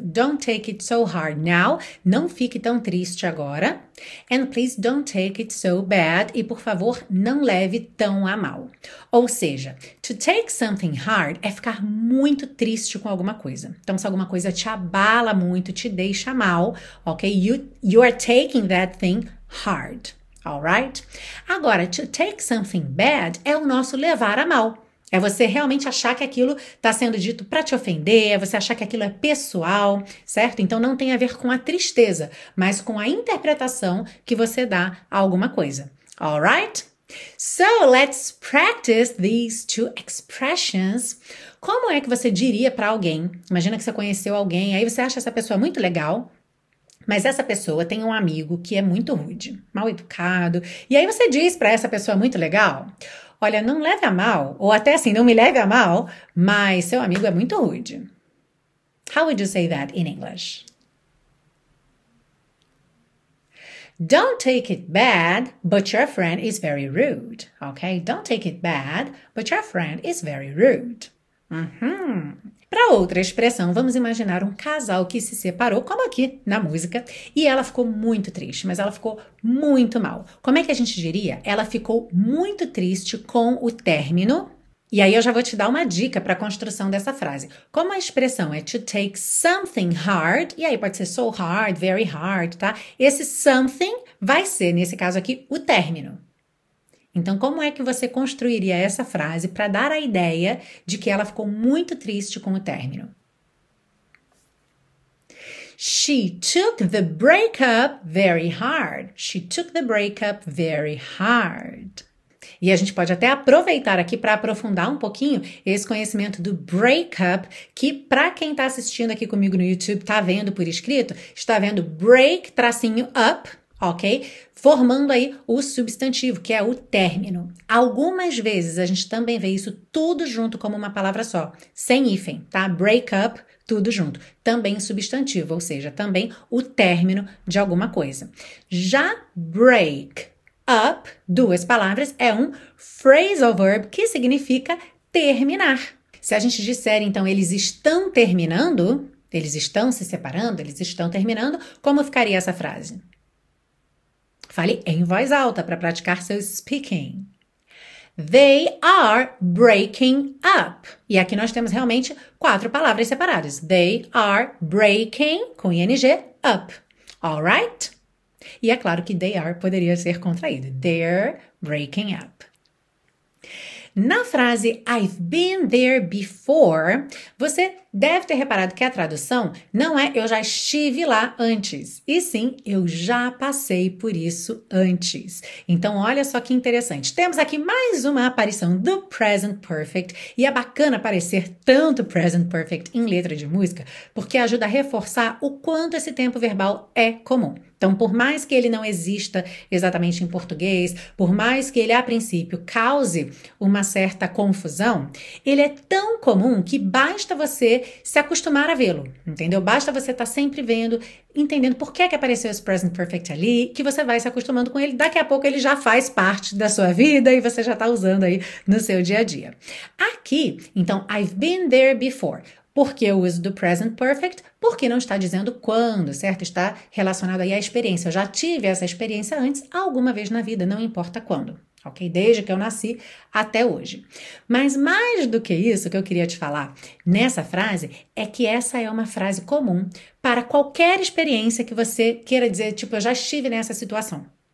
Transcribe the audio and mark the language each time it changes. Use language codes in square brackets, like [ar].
[en] "Don't take it so hard now", [pt] não fique tão triste agora. [en] "And please don't take it so bad", [pt] e por favor, não leve tão a mal. Ou seja, [en] to take something hard [pt] é ficar muito triste com alguma coisa. Então, se alguma coisa te abala muito, te deixa mal, ok? [en] You are taking that thing hard, alright? [pt] Agora, [en] to take something bad [pt] é o nosso levar a mal. É você realmente achar que aquilo está sendo dito para te ofender, é você achar que aquilo é pessoal, certo? Então não tem a ver com a tristeza, mas com a interpretação que você dá a alguma coisa. [en] All right? So, let's practice these two expressions. [pt] Como é que você diria para alguém? Imagina que você conheceu alguém, aí você acha essa pessoa muito legal, mas essa pessoa tem um amigo que é muito rude, mal educado, e aí você diz para essa pessoa muito legal: "Olha, não leve a mal", ou até assim, "não me leve a mal, mas seu amigo é muito rude". [en] How would you say that in English? Don't take it bad, but your friend is very rude. Okay? Don't take it bad, but your friend is very rude. [pt] Para outra expressão, vamos imaginar um casal que se separou, como aqui na música, e ela ficou muito triste, mas ela ficou muito mal. Como é que a gente diria? Ela ficou muito triste com o término. E aí eu já vou te dar uma dica para a construção dessa frase. Como a expressão é [en] to take something hard, [pt] e aí pode ser [en] so hard, very hard, [pt] tá? Esse something vai ser, nesse caso aqui, o término. Então, como é que você construiria essa frase para dar a ideia de que ela ficou muito triste com o término? [en] She took the breakup very hard. She took the breakup very hard. [pt] E a gente pode até aproveitar aqui para aprofundar um pouquinho esse conhecimento do breakup, que para quem está assistindo aqui comigo no YouTube, está vendo por escrito, está vendo break tracinho up. Ok? Formando aí o substantivo, que é o término. Algumas vezes a gente também vê isso tudo junto como uma palavra só, sem hífen, tá? Break up, tudo junto. Também substantivo, ou seja, também o término de alguma coisa. Já break up, duas palavras, é um phrasal verb que significa terminar. Se a gente disser, então, eles estão terminando, eles estão se separando, eles estão terminando, como ficaria essa frase? Fale em voz alta para praticar seu speaking. [en] They are breaking up. [pt] E aqui nós temos realmente quatro palavras separadas. [en] They are breaking [pt] com [en] ing up. All right? [pt] E é claro que [en] they are [pt] poderia ser contraído. [en] They're breaking up. [pt] Na frase [en] I've been there before, [pt] você deve ter reparado que a tradução não é eu já estive lá antes, e sim eu já passei por isso antes. Então, olha só que interessante. Temos aqui mais uma aparição do Present Perfect, e é bacana aparecer tanto Present Perfect em letra de música, porque ajuda a reforçar o quanto esse tempo verbal é comum. Então, por mais que ele não exista exatamente em português, por mais que ele a princípio cause uma certa confusão, ele é tão comum que basta você se acostumar a vê-lo, entendeu? Basta você estar sempre vendo, entendendo por que é que apareceu esse present perfect ali, que você vai se acostumando com ele. Daqui a pouco ele já faz parte da sua vida e você já está usando aí no seu dia a dia. Aqui, então, [en] I've been there before. [pt] Por que o uso do present perfect? Porque não está dizendo quando, certo? Está relacionado aí à experiência. Eu já tive essa experiência antes, alguma vez na vida, não importa quando. Ok? Desde que eu nasci até hoje. Mas mais do que isso que eu queria te falar nessa frase é que essa é uma frase comum para qualquer experiência que você queira dizer, tipo, eu já estive nessa situação.